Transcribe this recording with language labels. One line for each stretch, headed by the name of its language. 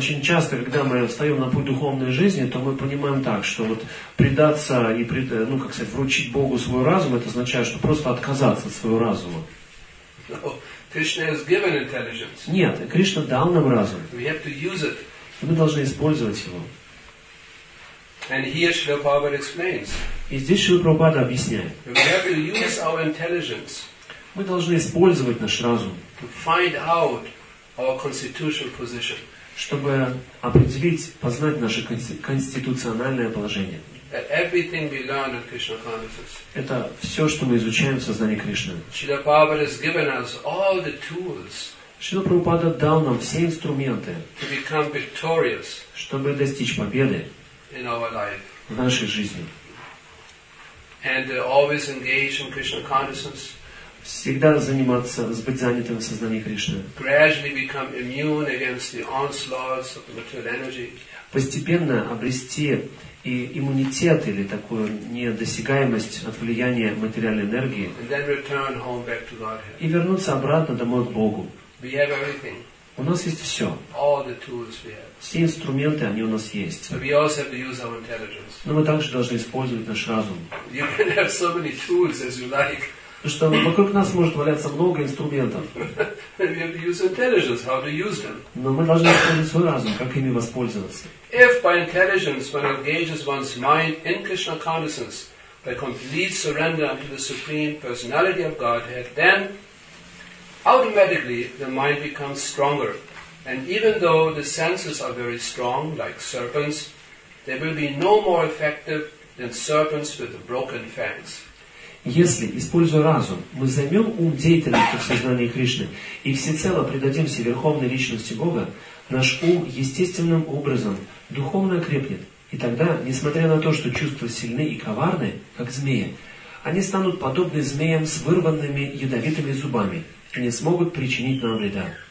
Russian: Очень часто, когда мы встаем на путь духовной жизни, то мы понимаем так, что вот предаться и вручить Богу свой разум, это означает, что просто отказаться от своего разума.
English: No, Krishna has given intelligence.
Russian: Нет, Кришна дал нам разум.
English: We have to use it.
Russian: Мы должны использовать его.
English: And here Srila Prabhupada explains.
Russian: И здесь Шрила Прабхупада объясняет.
English: We have to use our intelligence.
Russian: Мы должны использовать наш разум.
English: To find out our constitutional position.
Russian: Чтобы определить, познать наше конституциональное положение.
English: That everything we learn in Krishna consciousness.
Russian: Это все, что мы изучаем в сознании Кришны.
English: Srila Prabhupada has given us all the tools.
Russian: Шрила Прабхупада дал нам все инструменты.
English: To become victorious.
Russian: Чтобы достичь победы.
English: In our life.
Russian: В нашей жизни.
English: And always engage in Krishna consciousness.
Russian: Всегда заниматься, быть занятым в сознании Кришны.
English: Gradually become immune against the onslaughts of material energy.
Russian: Постепенно обрести и иммунитет или такую недосягаемость от влияния материальной энергии.
English: And then return home back to Godhead.
Russian: И вернуться обратно домой к Богу.
English: We have everything.
Russian: У У нас есть все.
English: All the tools we have.
Russian: Все инструменты, они у нас есть.
English: But we also have to use our intelligence.
Russian: Но мы также должны использовать наш разум.
English: You can have so many tools as you like.
Russian: Потому что вокруг нас может валяться много инструментов.
English: We have to use intelligence, how to use them.
Russian: Но мы должны использовать свой разум, как ими воспользоваться.
English: If by intelligence one engages one's mind in Krishna consciousness by complete surrender unto the Supreme Personality of Godhead, then automatically the mind becomes stronger. And even though the senses are very strong, like serpents, they will be no more effective than serpents with broken fangs.
Russian: Если, используя разум, мы займем ум деятельностью в сознании Кришны и всецело предадимся Верховной Личности Бога, наш ум естественным образом духовно окрепнет. И тогда, несмотря на то, что чувства сильны и коварны, как змеи, они станут подобны змеям с вырванными ядовитыми зубами и не смогут причинить нам вреда.